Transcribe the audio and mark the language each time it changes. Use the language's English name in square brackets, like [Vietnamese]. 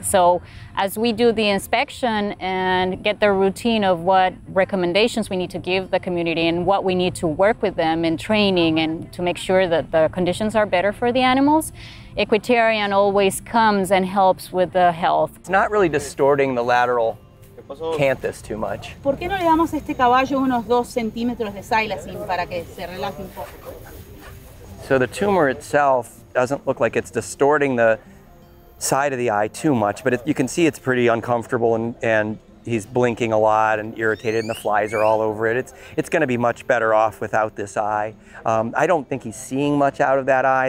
[English] So as we do the inspection and get the routine of what recommendations we need to give the community and what we need to work with them in training and to make sure that the conditions are better for the animals, Equitarian always comes and helps with the health. It's not really distorting the lateral canthus too much. [Spanish] ¿Por qué no le damos a este caballo unos 2 centímetros de silacin para que se relaje un poco? [English] So the tumor itself doesn't look like it's distorting the side of the eye too much, but you can see it's pretty uncomfortable and he's blinking a lot and irritated and the flies are all over it. It's going to be much better off without this eye. I don't think he's seeing much out of that eye.